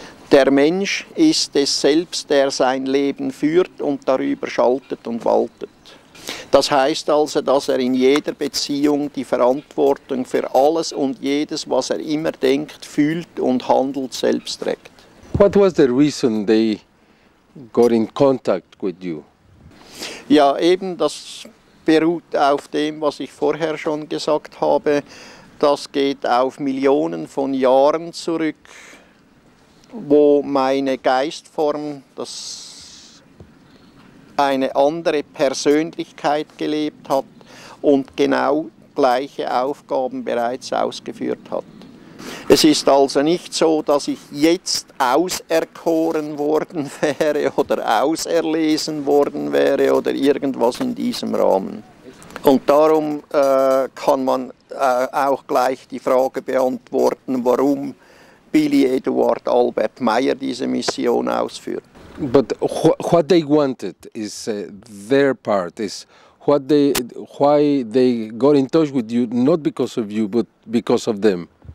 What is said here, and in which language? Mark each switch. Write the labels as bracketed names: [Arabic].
[German] Der Mensch ist es selbst, der sein Leben führt und darüber schaltet und waltet. Das heißt also, dass er in jeder Beziehung die Verantwortung für alles und jedes, was er immer denkt, fühlt und handelt, selbst trägt. [English] What was the reason they got in contact with you? [German] Ja, eben das beruht auf dem, was ich vorher schon gesagt habe. Das geht auf Millionen von Jahren zurück, wo meine Geistform, das eine andere Persönlichkeit gelebt hat und genau gleiche Aufgaben bereits ausgeführt hat. Es ist also nicht so, dass ich jetzt auserkoren worden wäre oder auserlesen worden wäre oder irgendwas in diesem Rahmen. Und darum kann man auch gleich die Frage beantworten, warum Billy Eduard Albert Meyer diese Mission ausführt. [English] But what they wanted is their part, is what they, why they got in touch with you, not because of you, but because of them.